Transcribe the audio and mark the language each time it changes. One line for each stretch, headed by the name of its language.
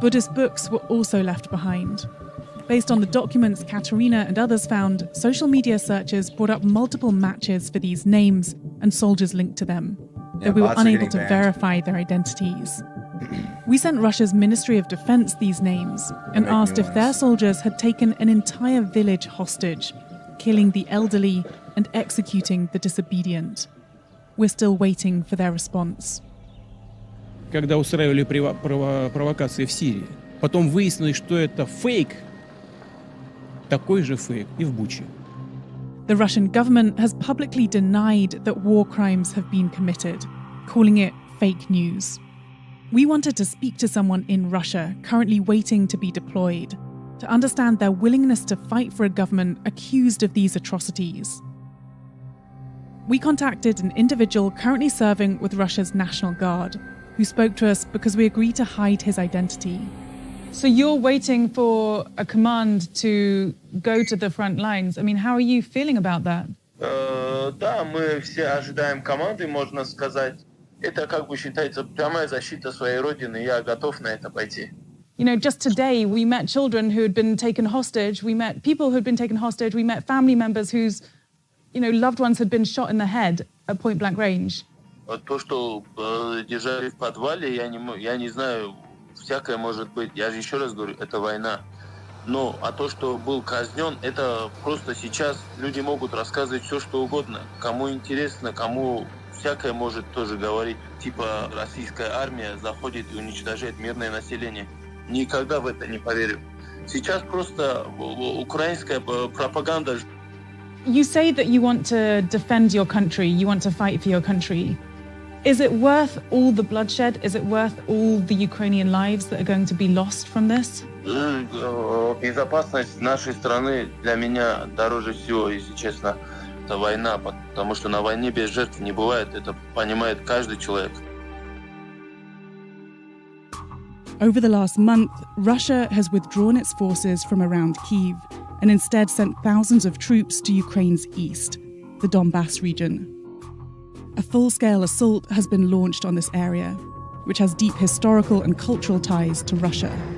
English: Buddhist books were also left behind. Based on the documents Katerina and others found, social media searches brought up multiple matches for these names and soldiers linked to them, though we were unable to verify their identities. We sent Russia's Ministry of Defense these names and asked if their soldiers had taken an entire village hostage, killing the elderly and executing the disobedient. We're still waiting for their response.
Russian: Когда устраивали провокации в Сирии, потом выяснилось, что это фейк. Такой же фейк и в Буче.
English: The Russian government has publicly denied that war crimes have been committed, calling it fake news. We wanted to speak to someone in Russia currently waiting to be deployed, to understand their willingness to fight for a government accused of these atrocities. We contacted an individual currently serving with Russia's National Guard, who spoke to us because we agreed to hide his identity. So you're waiting for a command to go to the front lines. I mean, how are you feeling about that?
Russian: Да, мы все ожидаем команды, можно сказать. Это как бы считается прямая защита своей родины. Я готов на это пойти.
English: You know, just today we met children who had been taken hostage. We met people who had been taken hostage. We met family members whose, you know, loved ones had been shot in the head at point blank range.
Russian: То, что держали в подвале, я не знаю. Всякое может быть. Я же еще раз говорю, это война. Но а то, что был казнен, это просто сейчас люди могут рассказывать все, что угодно. Кому интересно, кому всякое может тоже говорить, типа российская армия заходит и уничтожает мирное население. Никогда в это не поверю. Сейчас просто украинская пропаганда.
English: You say that you want to defend your country, you want to fight for your country. Is it worth all the bloodshed? Is it worth all the Ukrainian lives that are going to be lost from this?
Russian: Безопасность нашей страны для меня дороже всего, если честно. Это война, потому что на войне без жертв не бывает. Это понимает каждый человек.
English: Over the last month, Russia has withdrawn its forces from around Kyiv and instead sent thousands of troops to Ukraine's east, the Donbass region. A full-scale assault has been launched on this area, which has deep historical and cultural ties to Russia.